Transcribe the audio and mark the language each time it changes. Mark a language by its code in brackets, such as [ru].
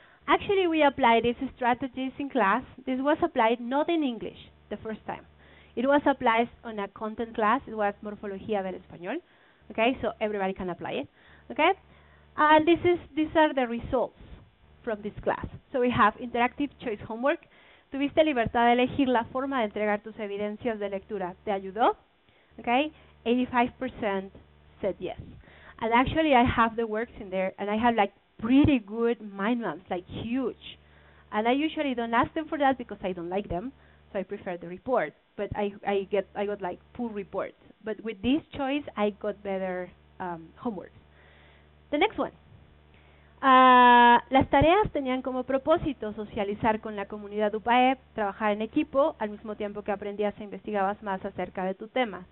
[en] Actually, we applied these strategies in class. This was applied not in English the first time. It was applied on a content class. It was Morfología del Español. Okay, so everybody can apply it. Okay, and these are the results from this class. So we have interactive choice homework. [es] Tuviste libertad de elegir la forma de entregar tus evidencias de lectura. ¿Te ayudó? [en] Okay, 85% said yes. And actually, I have the works in there, and I have like pretty good mind maps, like huge. And I usually don't ask them for that because I don't like them, so I prefer the report. But I got like poor reports. But with this choice, I got better homework. The next one. [es] Las tareas tenían como propósito socializar con la comunidad UPAEP, trabajar en equipo, al mismo tiempo que aprendías e investigabas más acerca de tu tema.